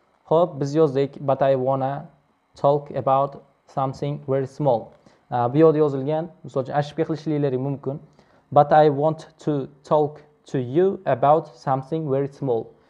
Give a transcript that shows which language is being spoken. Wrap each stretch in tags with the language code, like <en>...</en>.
<uz>Xo'p, biz yozdik,</uz> <en>but I wanna talk about something very small.</en> <uz>Bu yerda yozilgan, masalan, ashib qilishlaringiz mumkin.</uz> <en>But I want to talk to you about something very small.</en>